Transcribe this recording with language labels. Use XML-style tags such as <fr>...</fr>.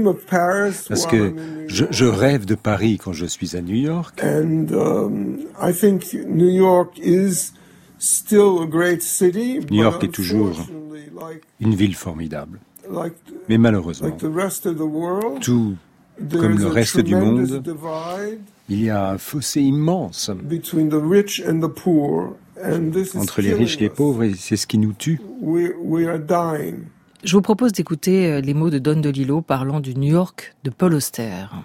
<fr>Parce que je rêve de Paris quand je suis à New York.</fr> <en>And I think New York is still a great city.</en> <fr>New York est toujours une ville formidable. Mais malheureusement, tout comme le reste du monde, il y a un fossé immense entre les riches et les pauvres, et c'est ce qui nous tue. Je vous propose d'écouter les mots de Don DeLillo parlant du New York de Paul Auster.</fr>